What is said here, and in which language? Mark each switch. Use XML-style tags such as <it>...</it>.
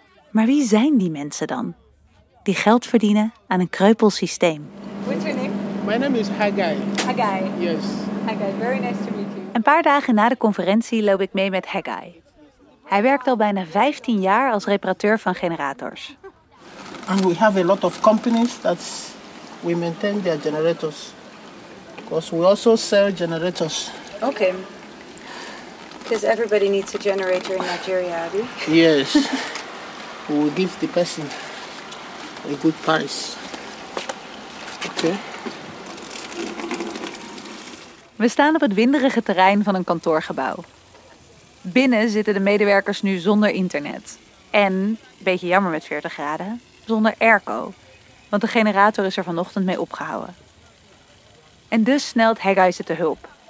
<nl>Maar wie zijn die mensen dan, die geld verdienen aan een kreupel systeem?</nl> <en>What's your name? My name is Haggai. Haggai. Yes. Haggai, very nice to meet you.</en> <nl>Een paar dagen na de conferentie loop ik mee met Haggai. Hij werkt al bijna 15 jaar als reparateur van generators.</nl> <en>And we have a lot of companies that we maintain their generators. Because we also sell generators. Okay. Because everybody needs a generator in Nigeria, do you? Yes. We will give the person a good price. Okay.</en> <nl>We staan op het winderige terrein van een kantoorgebouw. Binnen zitten de medewerkers nu zonder internet. En, een beetje jammer met 40 graden, zonder airco. Want de generator is er vanochtend mee opgehouden. En dus snelt Haggai ze te hulp.</nl>